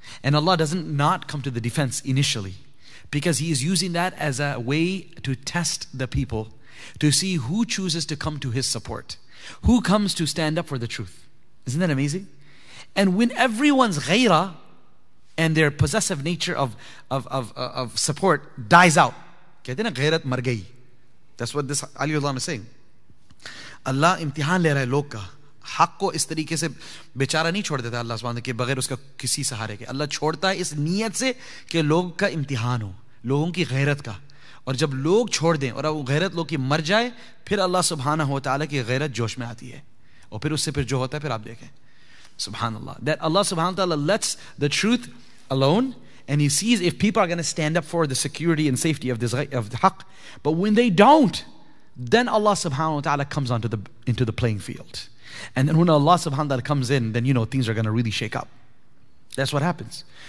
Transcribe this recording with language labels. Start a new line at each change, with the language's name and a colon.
English: And Allah doesn't not come to the defense initially, because he is using that as a way to test the people, to see who chooses to come to his support, who comes to stand up for the truth. Isn't that amazing? And when everyone's ghayra and their possessive nature of support dies out, that's what this Aliullah is saying.
Urdu: اللہ امتحان لے رہا ہے لوگ کا۔ حق کو اس طریقے سے بیچارہ نہیں چھوڑ دیتا اللہ سبحانہ کے بغیر اس کا کسی سہارے کے۔ اللہ چھوڑتا ہے اس نیت سے کہ لوگ کا امتحان ہو، لوگوں کی غیرت کا۔ اور جب لوگ چھوڑ دیں اور اب غیرت لوگ کی مر جائے، پھر اللہ سبحانہ و تعالیٰ کی غیرت جوش میں آتی ہے اور پھر اس سے پھر جو ہوتا ہے پھر آپ دیکھیں۔
English: Subhanallah, that Allah subhanahu wa taala lets the truth alone and he sees if people are going to stand up for the security and safety of the haq. But when they don't, then Allah subhanahu wa ta'ala comes onto the into the playing field. And then when Allah subhanahu wa ta'ala comes in, then you know things are going to really shake up. That's what happens.